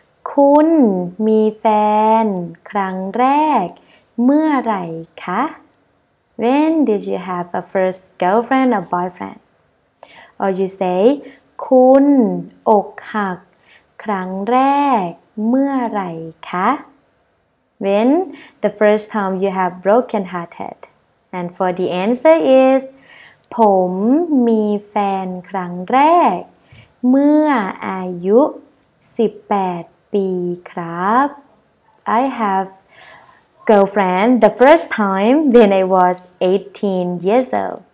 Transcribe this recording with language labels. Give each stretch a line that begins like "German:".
Thai: คุณมีแฟนครั้งแรกเมื่อไหร่คะ
English: When did you have a first girlfriend or boyfriend? Or you say,
Thai: คุณอกหักครั้งแรกเมื่อไหร่คะ?
English: When the first time you have broken hearted? And for the answer is,
Thai: ผมมีแฟนครั้งแรกเมื่ออายุ18ปีครับ
English: I haveGirlfriend, the first time when I was 18 years old.